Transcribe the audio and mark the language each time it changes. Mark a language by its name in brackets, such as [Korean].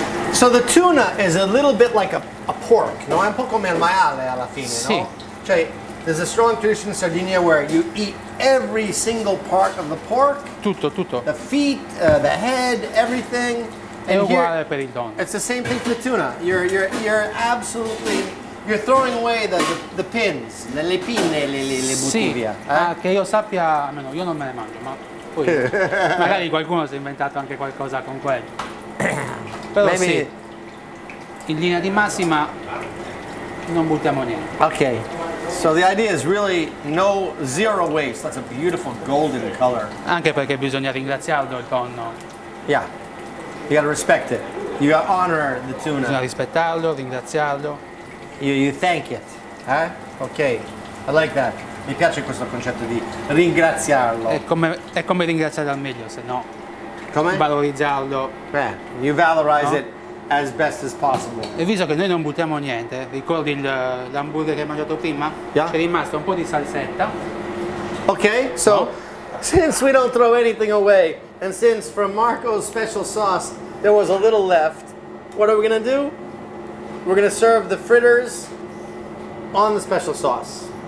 [English] So the tuna is a little bit like a pork, no? [Italian] È un po' come il maiale alla fine, sì. No? [English] Cioè, there's a strong tradition in Sardinia where you eat every single part of the pork. [Italian] Tutto, tutto. [English] The feet, the head, everything. [Italian] È uguale per il tonno. [English] It's the same thing for the tuna. You're absolutely, you're throwing away the pins, [Italian] le pinne, le buttivia. Sì, eh? Che io sappia, almeno io non me ne mangio, ma poi magari qualcuno si è inventato anche qualcosa con quello. Però [English] maybe. [Italian] Sì, in linea di massima non buttiamo niente. [English] Ok, so the idea is really no zero waste, that's a beautiful golden color. [Italian] Anche perché bisogna ringraziarlo il tonno. [English] Yeah, you gotta respect it, you gotta honor the tuna. [Italian] Bisogna rispettarlo, ringraziarlo. [English] You thank it, eh? Ok, I like that, [Italian] mi piace questo concetto di ringraziarlo. È come ringraziare al meglio, se no... Come? Valorizzarlo. [English] You valorize it as best as possible. [Italian] E visto che noi non buttiamo niente, ricordi l'hamburger che hai mangiato prima? [English] Yeah. [Italian] C'è rimasto un po' di salsetta. [English] Okay, so since we don't throw anything away, and since from Marco's special sauce there was a little left, what are we gonna do? We're gonna serve the fritters on the special sauce.